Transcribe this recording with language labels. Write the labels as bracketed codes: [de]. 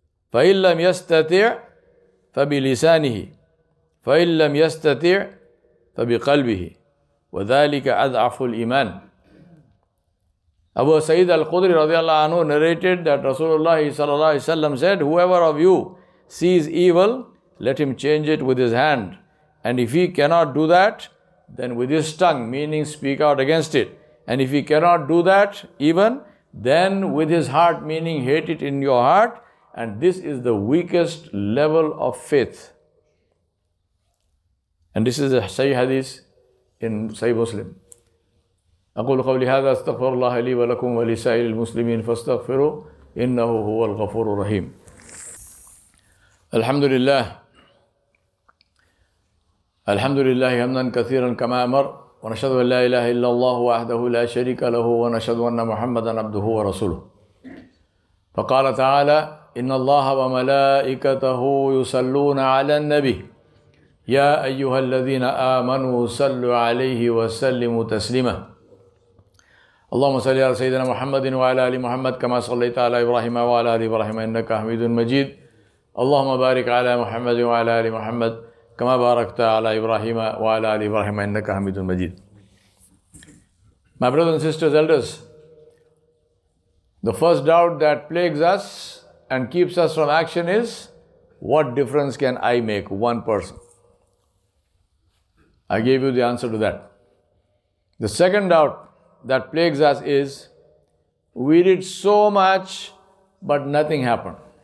[ar] فإن لم يستطع فبلسانه فإن لم يستطع فبقلبه وذلك أضعف الإيمان. [en] Abu Sayyid al-Khudri radiallahu anhu narrated that Rasulullah sallallahu alayhi wa sallam said, whoever of you sees evil, let him change it with his hand. And if he cannot do that, then with his tongue, meaning speak out against it. And if he cannot do that even, then with his heart, meaning hate it in your heart. And this is the weakest level of faith. And this is a Sahih Hadith in Sahih Muslim. [ar] أقول قولي هذا استغفر الله لي ولكم ولسائر المسلمين فاستغفروا إنه هو الغفور الرحيم. الحمد لله الحمد لله حمدا كثيرا كما أمر ونشهد أن لا إله إلا الله وحده لا شريك له ونشهد أن محمدا عبده ورسوله. فقال تعالى إن الله وملائكته يصلون على النبي يا أيها الذين آمنوا صلوا عليه وسلموا تسليما. اللهم صل على سيدنا محمد وعلى آل محمد كما صليت على إبراهيم وعلى آل إبراهيم إنك حميد مجيد. اللهم بارك على محمد وعلى آل محمد كما باركت على إبراهيم وعلى آل إبراهيم إنك حميد مجيد. [en] My brothers and sisters, elders, the first doubt that plagues us and keeps us from action is, what difference can I make, one person? I gave you the answer to that. The second doubt that plagues us is, we did so much, but nothing happened.